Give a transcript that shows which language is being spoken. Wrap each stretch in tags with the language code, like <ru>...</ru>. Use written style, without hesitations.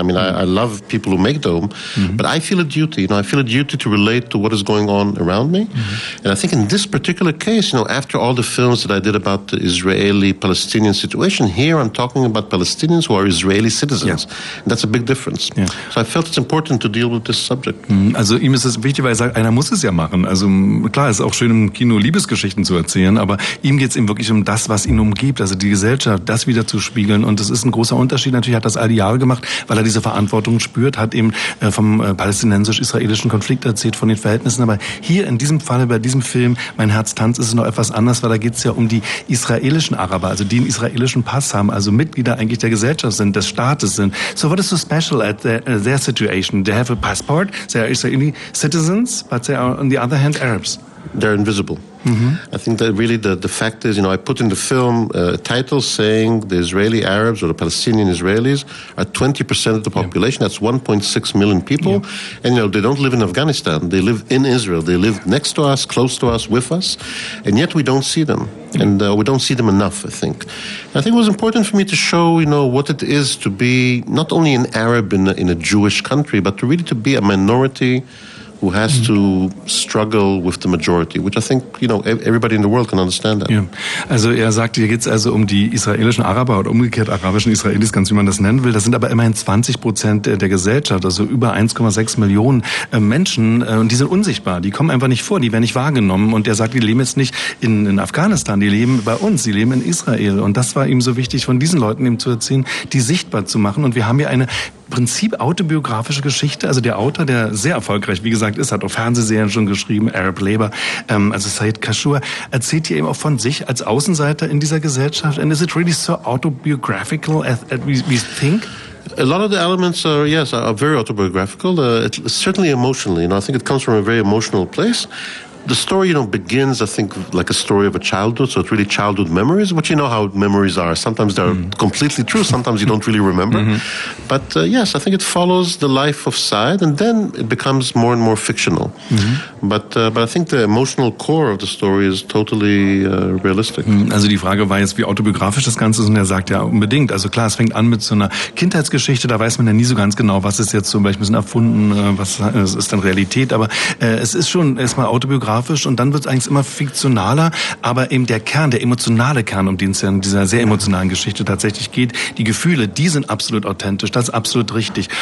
<en>I mean, I love people who make them, but I feel a duty, you know, I feel a duty to relate to what is going on around me. And I think in this particular case, you know, after all the films that I did about the Israeli-Palestinian situation, here I'm talking about Palestinians who are Israeli citizens. Yeah. And that's a big difference. Yeah. So I felt it's important to deal with this subject.</en> <de>Also, ihm ist es wichtig, weil er sagt, einer muss es ja machen. Also klar, es ist auch schön, im Kino Liebesgeschichten zu erzählen, aber ihm geht es eben wirklich um das, was ihn umgibt, also die Gesellschaft, das wieder zu spiegeln. Und das ist ein großer Unterschied. Natürlich hat das all die Jahre gemacht, weil er diese Verantwortung spürt, hat eben vom palästinensisch-israelischen Konflikt erzählt, von den Verhältnissen. Aber hier in diesem Fall, bei diesem Film, Mein Herz tanzt, ist es noch etwas anders, weil da geht es ja um die israelischen Araber, also die einen israelischen Pass haben, also Mitglieder eigentlich der Gesellschaft sind, des Staates sind.</de> <en>So what is so special at their situation? They have a passport, they are Israeli citizens, but they are, on the other hand, Arabs. They're invisible. I think that really the fact is, you know, I put in the film a title saying the Israeli Arabs or the Palestinian Israelis are 20% of the population. That's 1.6 million people. And, you know, they don't live in Afghanistan. They live in Israel. They live next to us, close to us, with us. And yet we don't see them. And we don't see them enough, I think. And I think it was important for me to show, you know, what it is to be not only an Arab in a Jewish country, but to really to be a minority who has to struggle with the majority, which I think, you know, everybody in the world can understand that. Yeah.</en> <de>Also er sagt, hier geht's also um die israelischen Araber oder umgekehrt arabischen Israelis, ganz wie man das nennen will. Das sind aber immerhin 20% der Gesellschaft, also über 1,6 Millionen Menschen. Und die sind unsichtbar, die kommen einfach nicht vor, die werden nicht wahrgenommen. Und er sagt, die leben jetzt nicht in Afghanistan, die leben bei uns, die leben in Israel. Und das war ihm so wichtig, von diesen Leuten eben zu erzählen, die sichtbar zu machen. Und wir haben hier eine Prinzip autobiografische Geschichte, also der Autor, der sehr erfolgreich, wie gesagt, ist, hat auch Fernsehserien schon geschrieben, Arab Labor, also Said Kashour, erzählt hier eben auch von sich als Außenseiter in dieser Gesellschaft.</de> <en>And is it really so autobiographical as we think? A lot of the elements are, yes, are very autobiographical, certainly emotionally, you know, I think it comes from a very emotional place. The story, you know, begins, I think, like a story of a childhood, so it's really childhood memories, which you know how memories are. Sometimes they're completely true, sometimes you don't really remember. But yes, I think it follows the life of Saeed, and then it becomes more and more fictional. But I think the emotional core of the story is totally realistic.</en> <de>Also die Frage war jetzt, wie autobiografisch das Ganze ist, und er sagt ja unbedingt. Also klar, es fängt an mit so einer Kindheitsgeschichte, da weiß man ja nie so ganz genau, was ist jetzt zum Beispiel ein bisschen erfunden, was ist dann Realität, aber es ist schon erstmal autobiografisch. Und dann wird es eigentlich immer fiktionaler, aber eben der Kern, der emotionale Kern, um den es ja in dieser sehr emotionalen Geschichte tatsächlich geht, die Gefühle, die sind absolut authentisch, das ist absolut richtig.</de>